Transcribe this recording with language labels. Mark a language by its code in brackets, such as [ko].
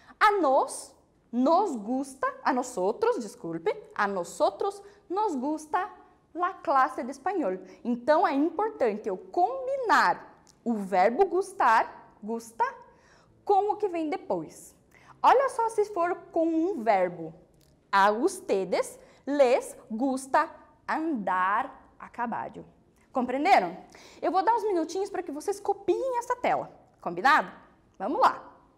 [pt] A nós, nos gusta, a nós outros, desculpe, a nós outros, [es] nos gusta la clase de espanhol. [pt] Então, é importante eu combinar o verbo gustar, gusta, com o que vem depois. Olha só se for com um verbo. [es] A ustedes les gusta andar a caballo. [pt] Compreenderam? Eu vou dar uns minutinhos para que vocês copiem essa tela. Combinado? Vamos lá.